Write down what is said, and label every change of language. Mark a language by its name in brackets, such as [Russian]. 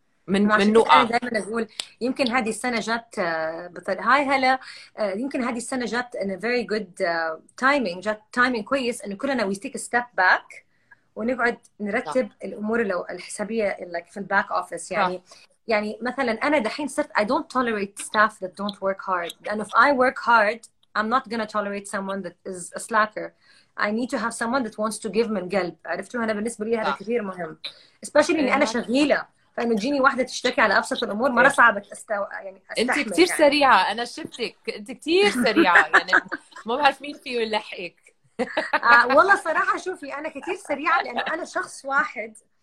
[Arabic] من نقع. أنا دائما أقول يمكن هذه السنة جات هاي هلا يمكن هذه السنة جات [English] in a very good timing, [Arabic] جات timing كويس إنه كلنا [English] we take a step back [Arabic] ونقعد نرتب الأمور لو الحسابية like في [English] the back office [Arabic] يعني. يعني مثلا أنا دحين صرت [English] I don't tolerate staff that don't work hard, and if I work hard I'm not gonna tolerate someone that is a slacker. I need to have someone that wants to give [Arabic] من قلب. عرفتوا أنا بالنسبة لي هذا كثير مهم. [English] Especially [Arabic] إني أنا شغيلة. فإنه جيني واحدة تشتكي على أبسط الأمور مرة صعبة يعني أستحمل. أنت كثير يعني. سريعة أنا شفتك. أنت كثير سريعة يعني مو بعرف مين فيه ويلحقك. والله صراحة شوفي أنا كثير سريعة لأنه أنا شخص واحد.